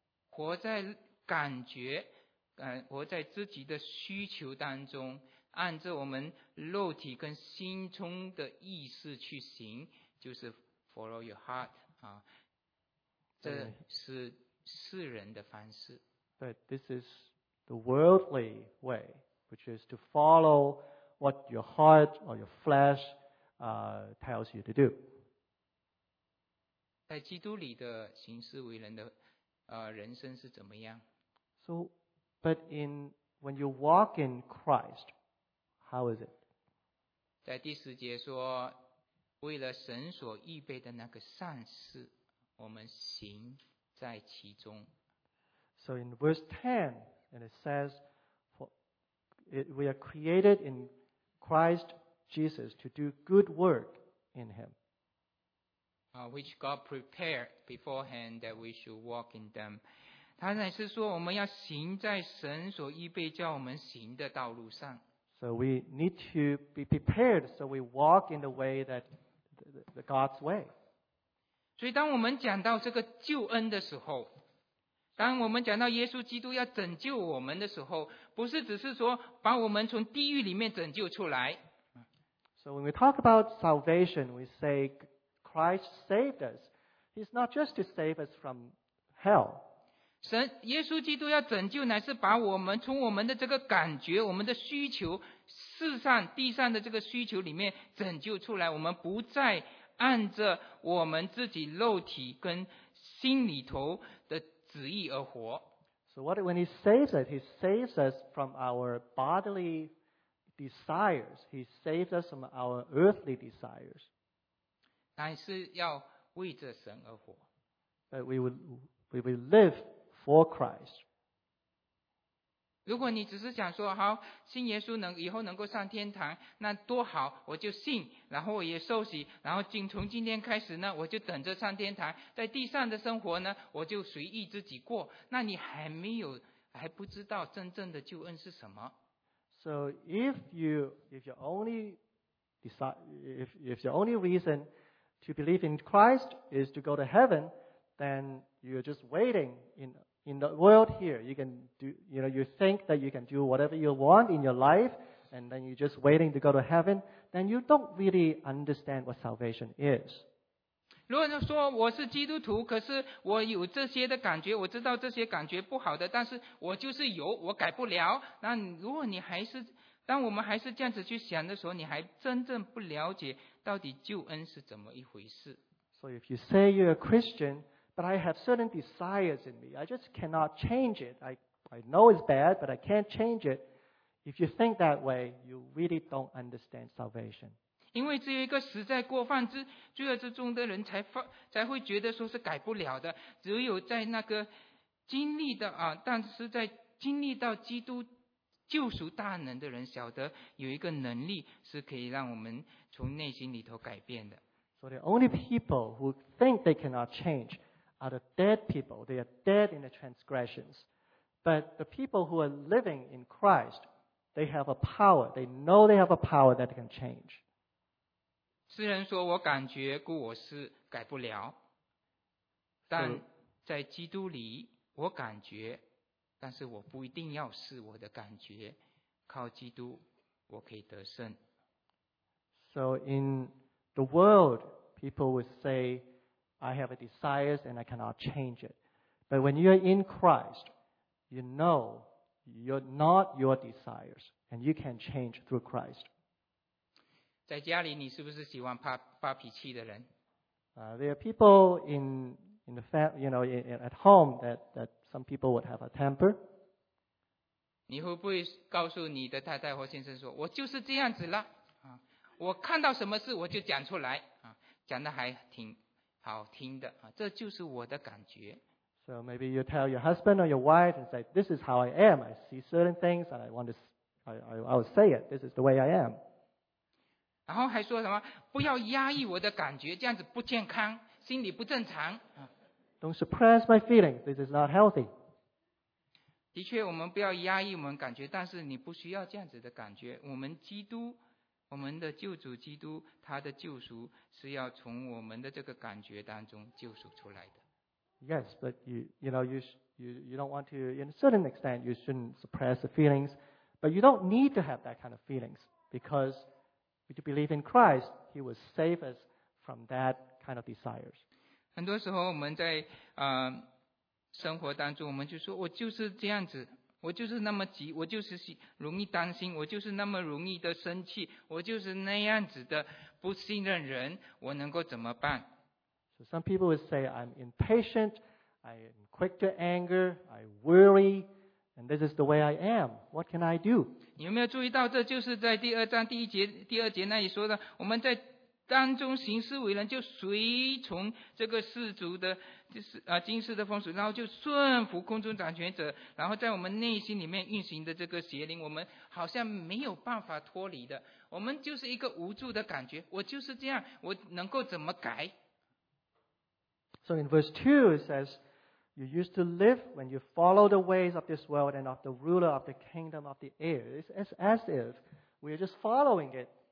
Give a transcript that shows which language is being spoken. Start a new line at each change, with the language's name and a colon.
Chinese: 活在感觉，活在自己的需求当中，按照我们肉体跟心中的意思去行，就是
English: follow your heart
Chinese: 啊，这是世人的方式。
English: But this is the worldly way, which is to follow what your heart or your flesh tells you to do.
Chinese: 在基督里的行事为人的人生是怎么样？
English: So, but in when you walk in Christ, how is it?
Chinese: 在第十节说，为了神所预备的那个善事，我们行在其中。
English: So in verse 10, and it says, we are created in Christ Jesus to do good work in Him. Which God prepared beforehand that we should walk in them.
Chinese: 他乃是说我们要行在神所预备叫我们行的道路上。
English: So we need to be prepared so we walk in the way that the God's way.
Chinese: 所以当我们讲到这个救恩的时候，当我们讲到耶稣基督要拯救我们的时候，不是只是说把我们从地狱里面拯救出来。
English: So when we talk about salvation, we say,Christ saved us. He's not just to save us from hell.
Chinese: 神耶稣基督要拯救，乃是把我们从我们的这个感觉、我们的需求、世上、地上的这个需求里面拯救出来。我们不再按着我们自己肉体跟心里头的旨意而活。
English: So what when he saves us, he saves us from our bodily desires. He saves us from our earthly desires.
Chinese: 乃是要为着神而活。
English: But we will live for Christ.
Chinese: 如果你只是想说好，信耶稣能以后能够上天堂，那多好，我就信，然后我也受洗，然后从今天开始呢，我就等着上天堂，在地上的生活呢，我就随意自己过。那你还不知道真正的救恩是什么。
English: So if your only reason to believe in Christ is to go to heaven, then you're just waiting in the world here. You can do, you know, you think that you can do whatever you want in your life, and then you're just waiting to go to heaven, then you don't really understand what salvation is.
Chinese: 如果说我是基督徒，可是我有这些的感觉，我知道这些感觉不好的，但是我就是有，我改不了。那如果你还是当我们还是这样子去想的时候，你还真正不了解到底救恩是怎么一回事。
English: So if you say you're a Christian, but I have certain desires in me, I just cannot change it. I know it's bad, but I can't change it. If you think that way, you really don't understand salvation.
Chinese: 因为只有一个实在过犯之罪恶之中的人才会觉得说是改不了的。只有在那个经历的啊，但是在经历到基督救赎大能的人晓得有一个能力是可以让我们从内心里头改变的。
English: So the only people who think they cannot change are the dead people. They are dead in the transgressions. But the people who are living in Christ, they have a power. They know they have a power that can change.
Chinese: 诗人说我感觉故我是改不了，但在基督里我感觉但是我不一定要试我的感觉，靠基督我可以得胜。
English: So in the world, people would say, I have a desire and I cannot change it. But when you're in Christ, you know you're not your desires and you can change through Christ.
Chinese: 在家里你是不是喜欢发脾气的人？
English: There are people in the family, you know, at home that some people would have a temper.
Chinese: 你会不会告诉你的太太或先生说，我就是这样子了，我看到什么事我就讲出来，讲得还挺好听的，这就是我的感觉。
English: So maybe you tell your husband or your wife and say, this is how I am. I see certain things and I want to, I will say it. This is the way I am.
Chinese: 然后还说什么，不要压抑我的感觉，这样子不健康，心理不正常。
English: Don't suppress my feelings, this is not healthy.
Chinese: 的确，我们不要压抑我们感觉，但是你不需要这样子的感觉。我们基督，我们的救主基督，他的救赎是要从我们的这个感觉当中救赎出来的。
English: Yes, but you don't want to, in a certain extent, you shouldn't suppress the feelings, but you don't need to have that kind of feelings, because... We believe in Christ, He will save us from that kind of desires.
Chinese: 很多时候我们在生活当中，我们就说，我就是这样子，我就是那么急，我就是容易担心，我就是那么容易的生气，我就是那样子的不信任人，我能够怎么办？
English: So some people would say, I'm impatient, I am quick to anger, I worry. And this is the way I am. What can I do?
Chinese: 你有没有注意到，这就是在第二章第一节第二节那里说的，我们在当中行事为人，就随从这个世俗的，就是今世的风俗，然后就顺服空中掌权者，然后在我们内心里面运行的这个邪灵，我们好像没有办法脱离的，我们就是一个无助的感觉，我就是这样，我能够怎么改？
English: So in verse 2 it says,You used to live when you follow the ways of this world and of the ruler of the kingdom of the air. It's as if we are just following it.